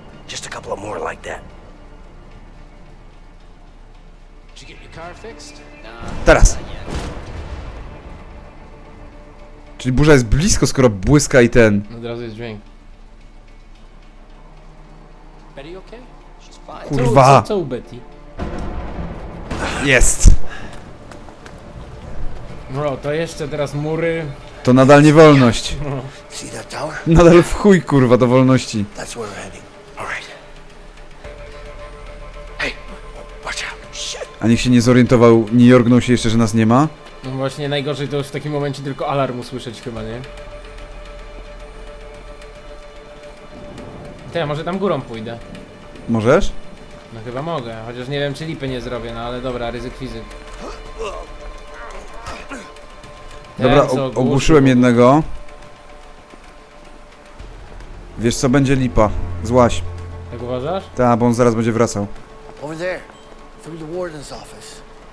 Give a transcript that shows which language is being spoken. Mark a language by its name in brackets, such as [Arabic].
[English] Just a couple of more like that. Did you get your car fixed? [Polish] Teraz. Czyli burza jest blisko, skoro błyska i ten. Od razu jest dźwięk. [English] Betty okay? She's fine. Kurwa. [Polish] Co u Betty? Jest. Bro, to jeszcze teraz mury. To nadal nie wolność. Nadal w chuj, kurwa, do wolności. A niech się nie zorientował, nie jorgnął się jeszcze, że nas nie ma. No właśnie, najgorzej to już w takim momencie tylko alarm usłyszeć chyba, nie? Ty, ja może tam górą pójdę. Możesz? No chyba mogę, chociaż nie wiem, czy lipy nie zrobię, no ale dobra, ryzyk fizyk. Dobra, ogłuszyłem jednego. Wiesz co, będzie lipa, złaś. Tak uważasz? Tak, bo on zaraz będzie wracał. [English] Over there, through the warden's office.